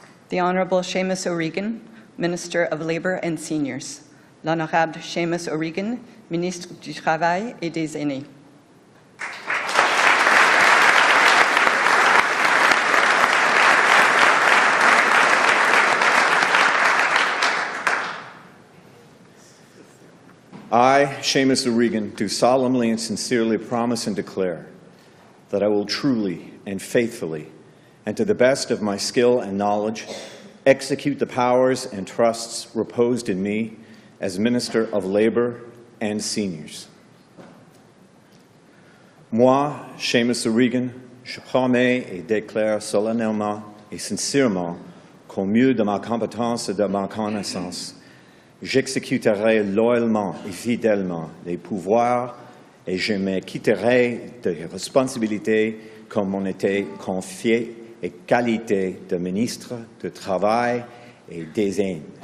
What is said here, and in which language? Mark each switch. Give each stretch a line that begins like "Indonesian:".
English: The Honorable Seamus O'Regan, Minister of Labour and Seniors.
French: L'Honorable Seamus O'Regan, Ministre du Travail et des Aînés.
English: I, Seamus O'Regan, do solemnly and sincerely promise and declare that I will truly and faithfully and to the best of my skill and knowledge, execute the powers and trusts reposed in me as Minister of Labour and Seniors.
French: Moi, Seamus O'Regan, je promets et déclare solennellement et sincèrement qu'au mieux de ma compétence et de ma connaissance, j'exécuterai loyalement et fidèlement les pouvoirs et je m'acquitterai des responsabilités comme m'ont été confiées et qualité de ministre de Travail et des Aînés.